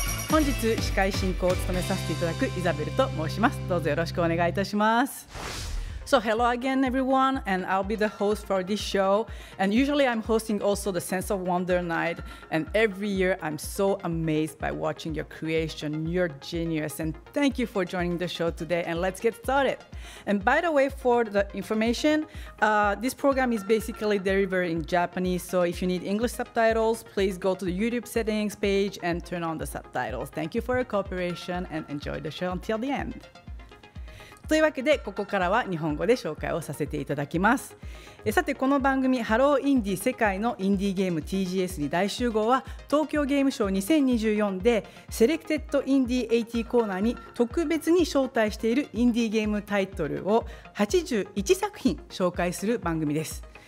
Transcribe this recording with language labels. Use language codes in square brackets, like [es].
[ja] 本日司会進行を務めさせていただくイザベルと申します。どうぞよろしくお願いいたします。 [en] So hello again everyone, and I'll be the host for this show. And usually I'm hosting also the Sense of Wonder Night. And every year I'm so amazed by watching your creation, your genius. And thank you for joining the show today. And let's get started. And by the way, for the information, this program is basically delivered in Japanese. So if you need English subtitles, please go to the YouTube settings page and turn on the subtitles. Thank you for your cooperation and enjoy the show until the end. [ja] というわけで、ここからは日本語で紹介をさせていただきます。さて、この番組ハローインディ世界のインディーゲーム TGS に大集合は、東京ゲームショー2024でセレクテッドインディー80コーナーに特別に招待しているインディーゲームタイトルを81作品紹介する番組です。